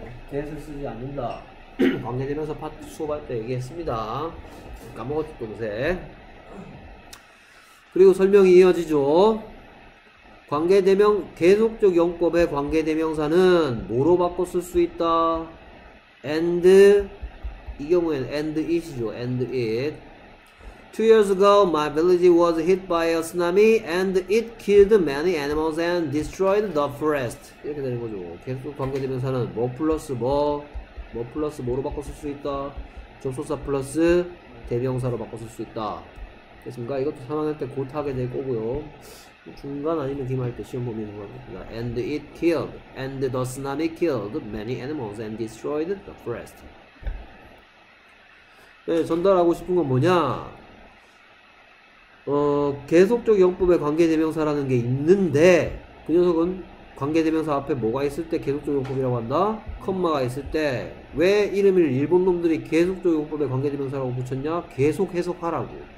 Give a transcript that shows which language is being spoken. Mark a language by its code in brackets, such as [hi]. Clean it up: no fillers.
[ko] 계속 쓰지 않는다. 관계대명사 파트 수업할 때 얘기했습니다. 까먹었죠, 동생. 그리고 설명이 이어지죠. 관계대명, 계속적 영법의 관계대명사는 뭐로 바꿔 쓸 수 있다? and, 이 경우에는 [en] and it [ko] 이죠. and it. [en] Two years ago, my village was hit by a tsunami and it killed many animals and destroyed the forest. [ko] 이렇게 되는 거죠. 계속 관계대명사는 뭐 플러스 뭐, 뭐 플러스 뭐로 바꿔 쓸 수 있다? 접속사 플러스 대명사로 바꿔 쓸 수 있다. 됐습니까? 이것도 3학년 때 곧 하게 될 거고요. 중간 아니면 기말 때 시험 보면 될 것 같습니다. [en] And it killed, and the tsunami killed many animals and destroyed the forest. [ko] 네, 전달하고 싶은 건 뭐냐? 계속적 영법의 관계대명사라는 게 있는데 그 녀석은 관계대명사 앞에 뭐가 있을 때 계속적 영법이라고 한다? 콤마가 있을 때. 왜 이름을 일본 놈들이 계속적 영법의 관계대명사라고 붙였냐? 계속 해석하라고.